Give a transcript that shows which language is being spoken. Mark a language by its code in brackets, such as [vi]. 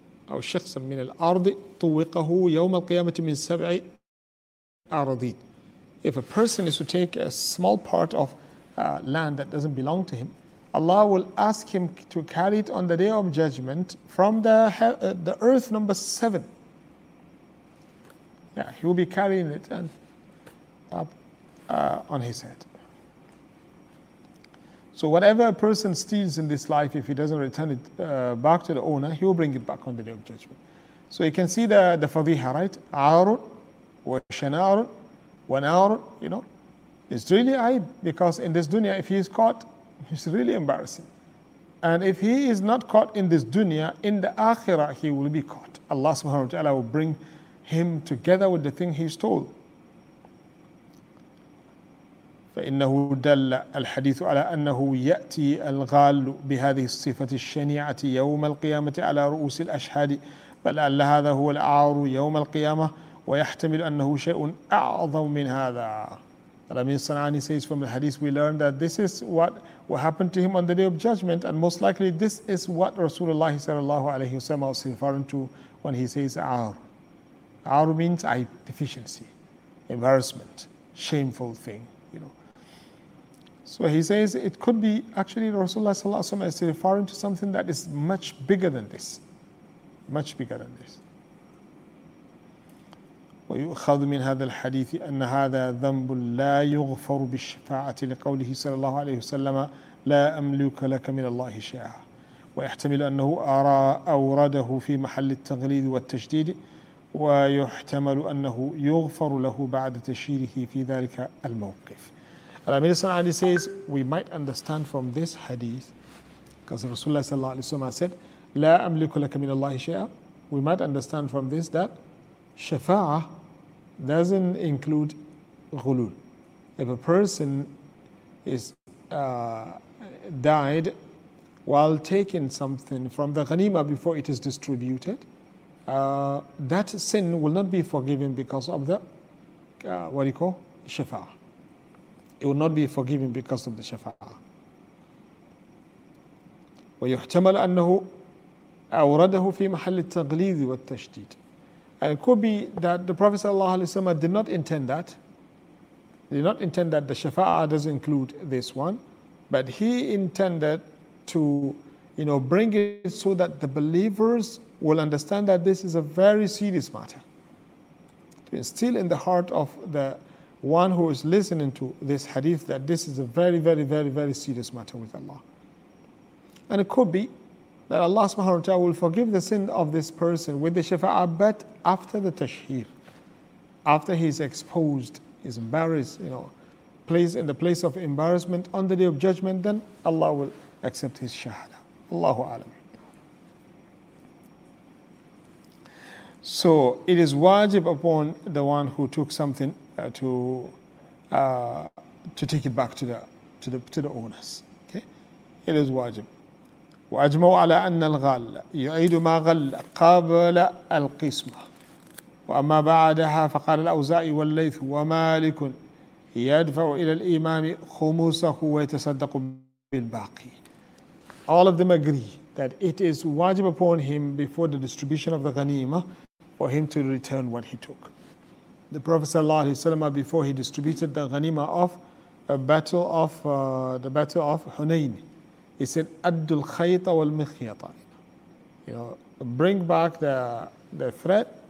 [ar] أو شخص من الأرض طوقه يوم القيامة من سبع أراضين. [en] If a person is to take a small part of land that doesn't belong to him, Allah will ask him to carry it on the day of judgment from the earth number seven. Yeah, he will be carrying it and up on his head. So whatever a person steals in this life, if he doesn't return it back to the owner, he will bring it back on the day of judgment. So you can see the fadiha, right? [ar] Aarun, wa shanaarun, wa naarun, [en] you know. It's really aib, because in this dunya, if he is caught, it's really embarrassing. And if he is not caught in this dunya, in the akhirah, he will be caught. Allah subhanahu wa ta'ala will bring him together with the thing he stole. [ar] فإنه دل الحديث على أنه يأتي الغال بهذه الصفة الشنيعة يوم القيامة على رؤوس الأشهاد بل أن هذا هو العار يوم القيامة ويحتمل أنه شيء أعظم من هذا. [en] Ramin Sanani says, from the hadith we learned that this is what will happen to him on the day of judgment, and most likely this is what Rasulullah sallallahu alayhi wa sallam was referring to when he says عار. عار means deficiency, embarrassment, shameful thing. So he says it could be actually Rasulullah sallallahu alaihi wasallam is referring to something that is much bigger than this. Much bigger than this. [ar] ويؤخذ من هذا الحديث أن هذا ذنب لا يغفر بالشفاعة لقوله صلى الله عليه وسلم لا أملك لك من الله شيئا. ويحتمل أنه أورده في محل التغليظ والتشديد ويحتمل أنه يغفر له بعد تشهيره في ذلك الموقف. [en] Ramil Sanani says, we might understand from this hadith, because Rasulullah sallallahu alayhi wa sallam said, [ar] La amliku laka min Allahi shay'a. [en] We might understand from this that shafa'a doesn't include ghulul. If a person is died while taking something from the ghanima before it is distributed, that sin will not be forgiven because of the, what do you call, shafa'a. It will not be forgiven because of the shafa'ah. [ar] ويحتمل أنه أورده في محل التغليظ والتشديد. [en] And it could be that the Prophet sallallahu alaihi wasallam did not intend that. Did not intend that the shafa'ah does include this one, but he intended to, you know, bring it so that the believers will understand that this is a very serious matter. To instill in the heart of the one who is listening to this hadith that this is a very, very, very, very serious matter with Allah. And it could be that Allah subhanahu wa ta'ala will forgive the sin of this person with the shafa'a, but after the tashheer, after he's exposed, he's embarrassed, you know, placed in the place of embarrassment on the day of judgment, then Allah will accept his shahada. Allahu alam. So it is wajib upon the one who took something to take it back to the owners. Okay, it is wajib. [ar] وأجمعوا على أن الغال يعيد ما غل قبل القسمة وأما بعدها فقال الأوزاعي والليث ومالك يدفع إلى الإمام خمسه ويتصدق بالباقي. [en] All of them agree that it is wajib upon him before the distribution of the ghanima for him to return what he took. The Prophet sallallahu alaihi wasallam, before he distributed the ghanima of the battle of Hunayn, he said, [ar] "Addu al-khayta wal-mikhyata." [en] You know, bring back the thread